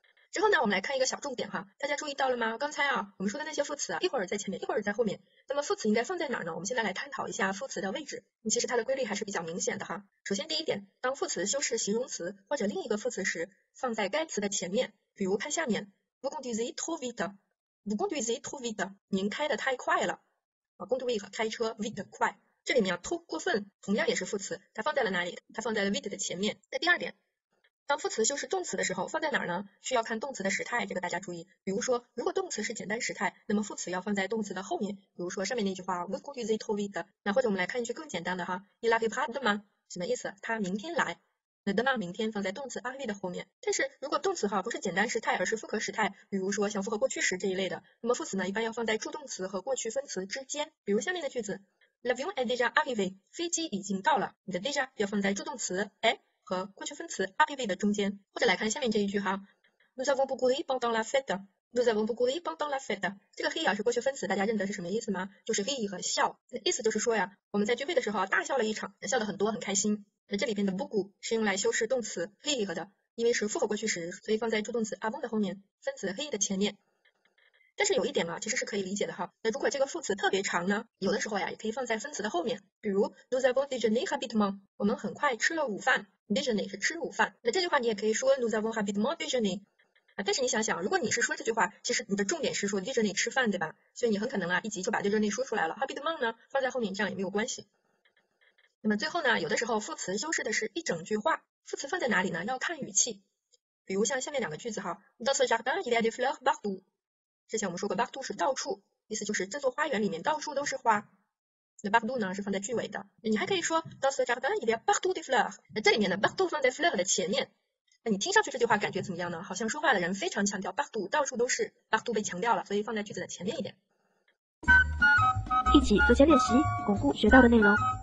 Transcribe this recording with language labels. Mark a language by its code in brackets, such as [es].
[zh] 之后呢，我们来看一个小重点哈，大家注意到了吗？刚才啊，我们说的那些副词啊，一会儿在前面，一会儿在后面。那么副词应该放在哪儿呢？我们现在来探讨一下副词的位置。其实它的规律还是比较明显的哈。首先第一点，当副词修饰形容词或者另一个副词时，放在该词的前面。比如看下面 ， [fr] vous conduisez trop vite， [zh] vous conduisez trop vite， 您开的太快了。啊 ，conduire 和开车 ，vite 快。这里面啊 ，trop 过分，同样也是副词，它放在了哪里？它放在了 vite 的前面。那第二点。当副词修饰动词的时候，放在哪儿呢？需要看动词的时态，这个大家注意。比如说，如果动词是简单时态，那么副词要放在动词的后面。比如说上面那句话 ， [fr] vous conduisez trop vite。 [zh] 那或者我们来看一句更简单的哈 ， [fr] il arrivera demain， [zh] 什么意思？他明天来。那 demain 明天放在动词 arrive 的后面。但是如果动词哈不是简单时态，而是复合时态，比如说像复合过去时这一类的，那么副词呢一般要放在助动词和过去分词之间。比如下面的句子 ， [fr] l'avion est déjà arrivé， [zh] 飞机已经到了。你的 déjà 要放在助动词哎。和过去分词 arrive 的中间，或者来看下面这一句哈 ， [fr] nous avons beaucoup ri pendant la fête， [zh] nous avons beaucoup ri pendant la fête。这个 ri 啊是过去分词，大家认得是什么意思吗？就是 ri 和笑，意思就是说呀，我们在聚会的时候大笑了一场，笑得很多，很开心。那这里边的 beaucoup 是用来修饰动词 ri 和的，因为是复合过去时，所以放在助动词 avons 的后面，分词 ri 的前面。但是有一点嘛，其实是可以理解的哈。那如果这个副词特别长呢，有的时候呀，也可以放在分词的后面。比如， [fr] nous avons déjeuné rapidement， [zh] 我们很快吃了午饭。 déjeuner 是吃午饭，那这句话你也可以说 [fr] nous avons rapidement déjeuné。 [zh] 啊，但是你想想，如果你是说这句话，其实你的重点是说 déjeuner 吃饭，对吧？所以你很可能啊，一急就把 déjeuner 说出来了。rapidement 呢，放在后面这样也没有关系。那么最后呢，有的时候副词修饰的是一整句话，副词放在哪里呢？要看语气。比如像下面两个句子哈， [fr] dans ce jardin il y a des fleurs partout。 [zh] 之前我们说过，partout 是到处，意思就是这座花园里面到处都是花。那 partout 呢是放在句尾的。你还可以说， [fr] dans ce jardin il y a partout des fleurs。 [zh] 那这里面的 partout 放在 fleur 的前面，那你听上去这句话感觉怎么样呢？好像说话的人非常强调 partout 到处都是，partout 被强调了，所以放在句子的前面一点。一起做些练习，巩固学到的内容。